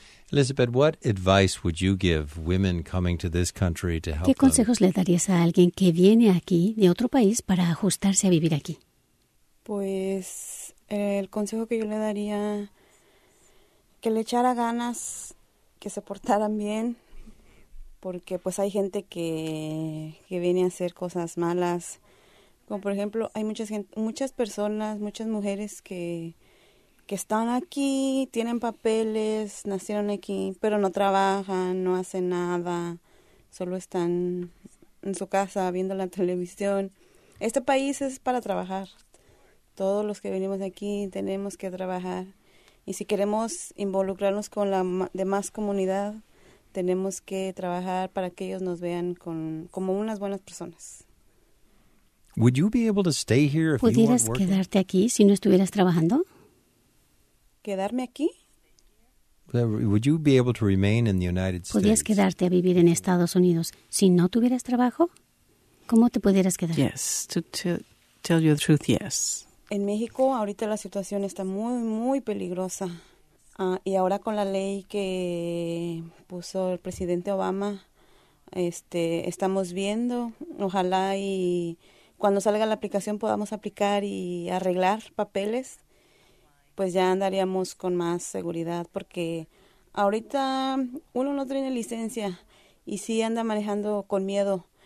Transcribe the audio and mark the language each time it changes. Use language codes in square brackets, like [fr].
[en] Elizabeth, what advice would you give women coming to this country to help? [es] ¿Qué consejos le darías a alguien que viene aquí de otro país para ajustarse a vivir aquí? Pues el consejo que yo le daría, que le echara ganas, que se portaran bien, porque pues hay gente que viene a hacer cosas malas. Como por ejemplo, hay muchas mujeres que están aquí, tienen papeles, nacieron aquí, pero no trabajan, no hacen nada, solo están en su casa viendo la televisión. Este país es para trabajar. Todos los que venimos aquí tenemos que trabajar. Y si queremos involucrarnos con la demás comunidad, tenemos que trabajar para que ellos nos vean como unas buenas personas. [en] Would you be able to stay here if [es] ¿Pudieras quedarte aquí si no estuvieras trabajando? ¿Quedarme aquí? [en] Would you be able to remain in the United States? [es] ¿Pudieras quedarte a vivir en Estados Unidos si no tuvieras trabajo? ¿Cómo te pudieras quedar? [en] Yes, to tell you the truth, yes. [es] En México ahorita la situación está muy, muy peligrosa. Y ahora con la ley que puso el presidente Obama, estamos viendo, ojalá y cuando salga la aplicación podamos aplicar y arreglar papeles, pues ya andaríamos con más seguridad, porque ahorita uno no tiene licencia y sí anda manejando con miedo.